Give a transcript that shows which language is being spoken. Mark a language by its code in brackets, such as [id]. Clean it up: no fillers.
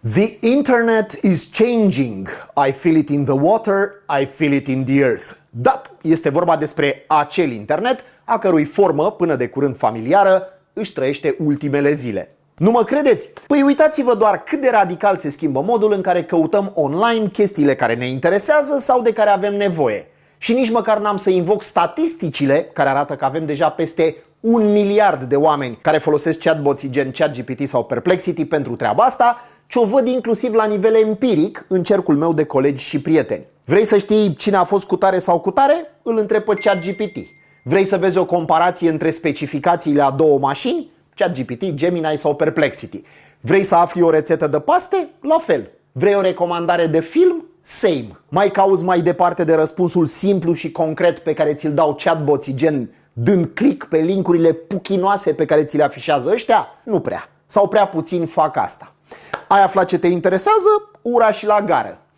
[en] The internet is changing. I feel it in the water, I feel it in the earth. [ro] Da, este vorba despre acel internet, a cărui formă, până de curând familiară, își trăiește ultimele zile. Nu mă credeți? Păi uitați-vă doar cât de radical se schimbă modul în care căutăm online chestiile care ne interesează sau de care avem nevoie. Și nici măcar n-am să invoc statisticile care arată că avem deja peste 1 miliard de oameni care folosesc chatbots-ii gen ChatGPT sau Perplexity pentru treaba asta, ci o văd inclusiv la nivel empiric în cercul meu de colegi și prieteni. Vrei să știi cine a fost cu tare sau cu tare? Îl întreb pe ChatGPT. Vrei să vezi o comparație între specificațiile a două mașini? ChatGPT, Gemini sau Perplexity. Vrei să afli o rețetă de paste? La fel. Vrei o recomandare de film? [en] Same. [ro] Mai cauți mai departe de răspunsul simplu și concret pe care ți-l dau chatbots-ii gen dând click pe linkurile puchinoase pe care ți le afișează ăștia? Nu prea. Sau prea puțin fac asta. Ai aflat ce te interesează? Ura și la gară.